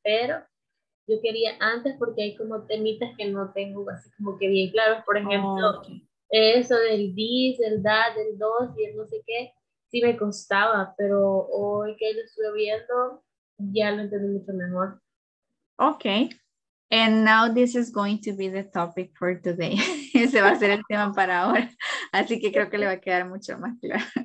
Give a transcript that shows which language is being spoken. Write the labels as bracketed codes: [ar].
[es] Pero yo quería antes porque hay como temitas que no tengo así como que bien claros. Por ejemplo, eso del this, el that, el dos y el no sé qué, sí me costaba. Pero hoy que lo estuve viendo, ya lo entendí mucho mejor. [en] Okay. And now this is going to be the topic for today. [es] Ese va a ser el tema para ahora. Así que creo que le va a quedar mucho más claro.